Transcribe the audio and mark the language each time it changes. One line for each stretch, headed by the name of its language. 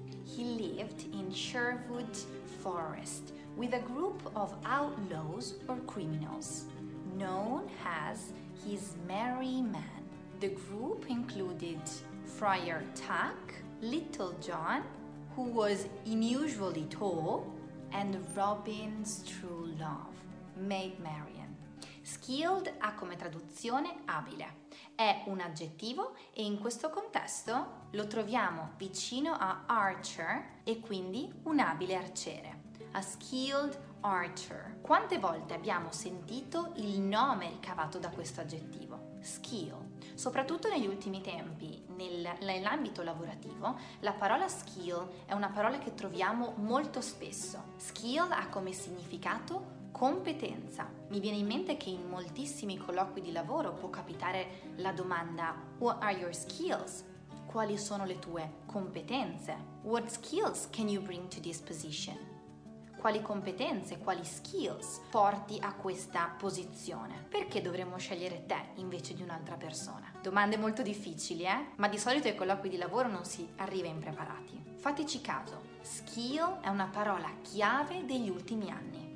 English: He lived in Sherwood Forest with a group of outlaws or criminals, known as his Merry Men. The group included Friar Tuck, Little John, who was unusually tall, and Robin's true love, Maid Marian.
Italian: Skilled ha come traduzione abile. È un aggettivo e in questo contesto lo troviamo vicino a archer e quindi un abile arciere.
English: A skilled archer.
Italian: Quante volte abbiamo sentito il nome ricavato da questo aggettivo? Skill. Soprattutto negli ultimi tempi, nell'ambito lavorativo, la parola skill è una parola che troviamo molto spesso. Skill ha come significato competenza. Mi viene in mente che in moltissimi colloqui di lavoro può capitare la domanda
English: What are your skills?
Italian: Quali sono le tue competenze?
English: What skills can you bring to this position?
Italian: Quali competenze, quali skills porti a questa posizione? Perché dovremmo scegliere te invece di un'altra persona? Domande molto difficili, eh? Ma di solito ai colloqui di lavoro non si arriva impreparati. Fateci caso, skill è una parola chiave degli ultimi anni.